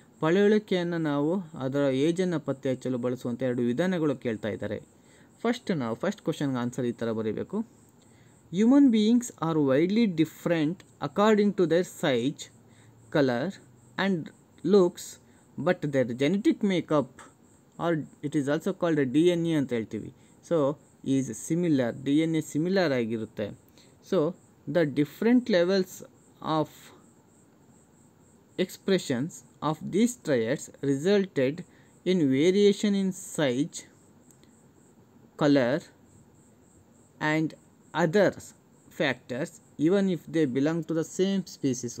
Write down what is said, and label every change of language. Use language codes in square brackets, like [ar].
[kn] ಪಳೆಯುಳಿಕೆಯನ್ನು ನಾವು ಅದರ ಏಜನ್ನು ಪತ್ತೆ ಹಚ್ಚಲು ಬಳಸುವಂಥ ಎರಡು ವಿಧಾನಗಳು ಕೇಳ್ತಾ ಇದ್ದಾರೆ. ಫಸ್ಟ್ ಕ್ವಶನ್ಗೆ ಆನ್ಸರ್ ಈ ಥರ ಬರೀಬೇಕು, [en] human beings are widely different according to their size colour and looks but their genetic makeup, or it is also called a DNA [kn] ಅಂತ ಹೇಳ್ತೀವಿ, [en] so is similar, [kn] D N A similar ಆಗಿರುತ್ತೆ. [en] So the different levels of expressions of these triads resulted in variation in size, colour and others factors even if they belong to the same species.